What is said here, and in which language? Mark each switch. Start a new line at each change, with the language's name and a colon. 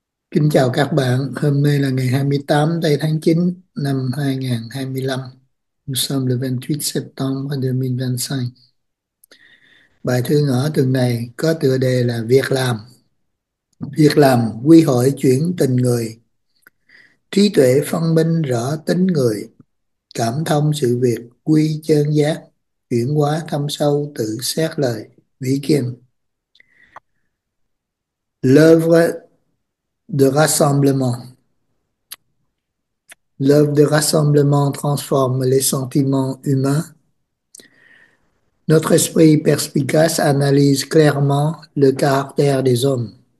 Vietnamese: Kính chào các bạn, hôm nay là ngày 28 tây tháng 9 năm 2025.
French: Nous sommes le 28 septembre 2025.
Vietnamese: Bài thơ ngỡ tuần này có tựa đề là Việc làm. Việc làm quy hội chuyển tình người. Trí tuệ phân minh rõ tính người. Cảm thông sự việc quy chân giác. Chuyển hóa thâm sâu tự xét lời. Vĩ Kim.
French: L'œuvre de rassemblement. L'œuvre de rassemblement transforme les sentiments humains. Notre esprit perspicace analyse clairement le caractère des hommes.